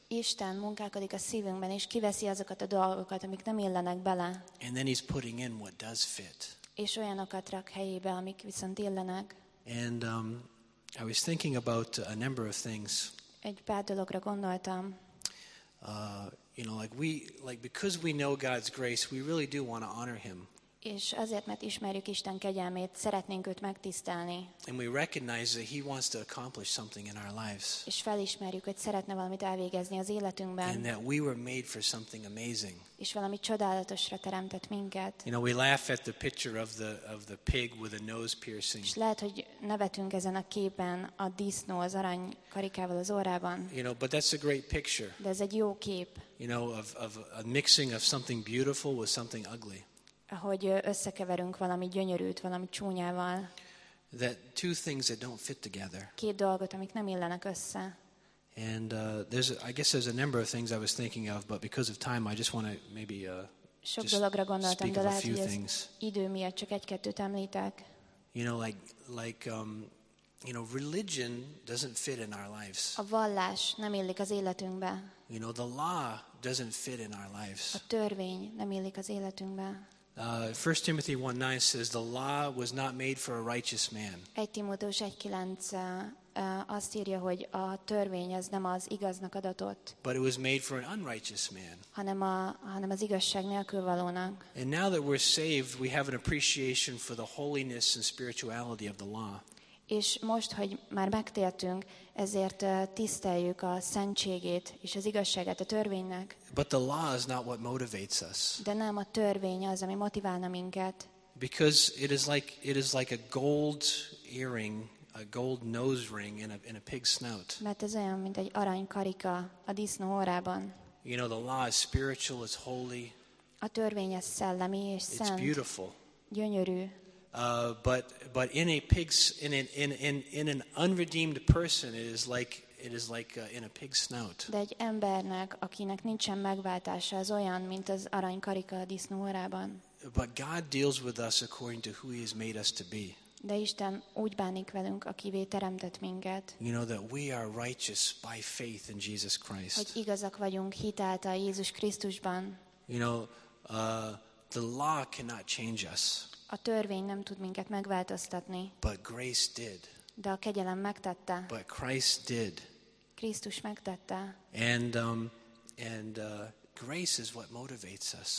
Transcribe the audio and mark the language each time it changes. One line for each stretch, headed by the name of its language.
Hungarian: Isten munkálkodik a szívünkben és kiveszi azokat a dolgokat, amik nem illenek bele.
English: And then he's putting in what does fit.
Hungarian: És olyanokat rak helyébe, amik viszont illenek.
English: And I was thinking about a number of things.
Hungarian: Egy pár dologra gondoltam.
English: You know, like because we know God's grace, we really do want to honor him.
Hungarian: És azért, mert ismerjük Isten kegyelmét, szeretnénk őt megtisztelni.
English: And we recognize that he wants to accomplish something in our lives.
Hungarian: És felismerjük, hogy szeretne valamit elvégezni az életünkben.
English: And that we were made for something amazing.
Hungarian: És valami csodálatosra teremtett minket.
English: You know, we laugh at the picture of the pig with a nose piercing.
Hungarian: És lehet, hogy nevetünk ezen a képen, a disznó az arany karikával az orrában.
English: You know, but that's a great picture.
Hungarian: De ez egy jó kép.
English: You know, of a mixing of something beautiful with something ugly.
Hungarian: Ahogy összekeverünk valami gyönyörűt valami csúnyával.
English: That two things that don't fit together.
Hungarian: Két dolgot, amik nem illenek össze.
English: And I guess there's a number of things I was thinking of, but because of time I just want to maybe
Hungarian: sok dologra gondoltam, de lehet, hogy az idő miatt csak egy-kettőt említek.
English: You know, you know, religion doesn't fit in our lives.
Hungarian: A vallás nem illik az életünkbe.
English: You know, the law doesn't fit in our lives.
Hungarian: A törvény nem illik az életünkbe.
English: 1 Timothy 1:9 says the law was not made for a righteous man.
Hungarian: 1 Timotheus 1:9 azt írja, hogy a törvény az nem az igaznak adatott.
English: But it was made for an unrighteous man.
Hungarian: Hanem az igazság nélkül valónak.
English: And now that we're saved, we have an appreciation for the holiness and spirituality of the law.
Hungarian: És most, hogy már megtértünk, ezért tiszteljük a szentségét és az igazságát a törvénynek.
English: But the law is not what motivates us.
Hungarian: De nem a törvény az, ami motiválna minket.
English: Because it is like a gold earring, a gold nose ring in a pig's snout.
Hungarian: Mert ez olyan, mint egy arany karika a disznó orrában.
English: You know, the law is spiritual, it's holy.
Hungarian: A törvény az szellemi és szent.
English: It's beautiful.
Hungarian: Gyönyörű.
English: But in a pig's in an unredeemed person it is like in a pig's snout.
Hungarian: De egy embernek, akinek nincsen megváltása, az olyan, mint az arany karika a disznó orrában.
English: But God deals with us according to who He has made us to be.
Hungarian: De Isten úgy bánik velünk, akivé teremtett minket.
English: You know that we are righteous by faith in Jesus Christ.
Hungarian: Hogy igazak vagyunk hit által Jézus Krisztusban.
English: You know, the law cannot change us.
Hungarian: A törvény nem tud minket megváltoztatni.
English: But grace did.
Hungarian: De a kegyelem megtette.
English: But Christ did.
Hungarian: Krisztus megtette.
English: And grace is what motivates us.